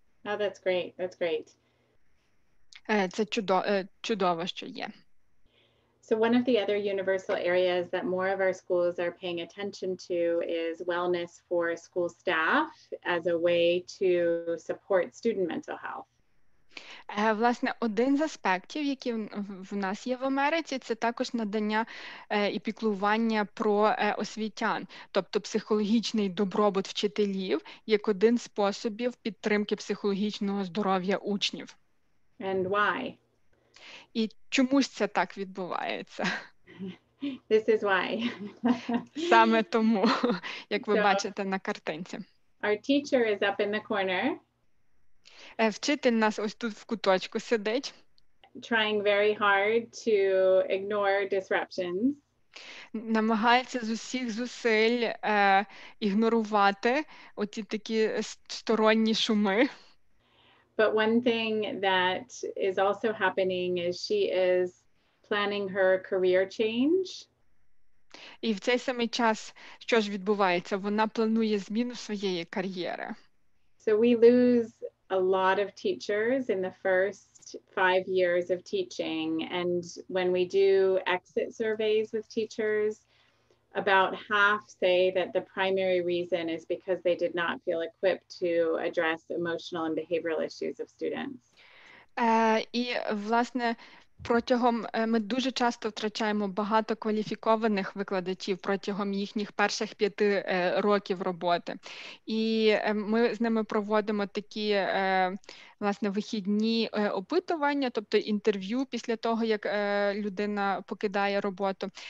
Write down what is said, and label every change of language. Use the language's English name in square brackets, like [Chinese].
[English] Oh, that's great. That's great. [Ukrainian] Це чудово, що є. [English] So one of the other universal areas that more of our schools are paying attention to is wellness for school staff as a way to support student mental health. [Ukrainian] Власне, один з аспектів, який в нас є в Америці, це також надання і піклування про освітян, тобто психологічний добробут вчителів, як один з способів підтримки психологічного здоров'я учнів. [English] And why? [Ukrainian] І чому ж це так відбувається? [English] This is why. [Ukrainian] Саме тому, як ви бачите на картинці. [English] Our teacher is up in the corner. [Ukrainian] Вчитель нас ось тут в куточку сидить. [English] Trying very hard to ignore disruptions. [Ukrainian] Намагається з усіх зусиль ігнорувати оці такі сторонні шуми. [English] But one thing that is also happening is she is planning her career change. [Ukrainian] І в цей самий час що ж відбувається? Вона планує зміну своєї кар'єри. [English] So we lose a lot of teachers in the first 5 years of teaching. And when we do exit surveys with teachers, about half say that the primary reason is because they did not feel equipped to address emotional and behavioral issues of students. [Ukrainian] І, власне, протягом ми дуже часто втрачаємо багато кваліфікованих викладачів протягом їхніх перших 5 років роботи. І ми з ними проводимо такі, власне, вихідні опитування, тобто інтерв'ю після того, як людина покидає роботу.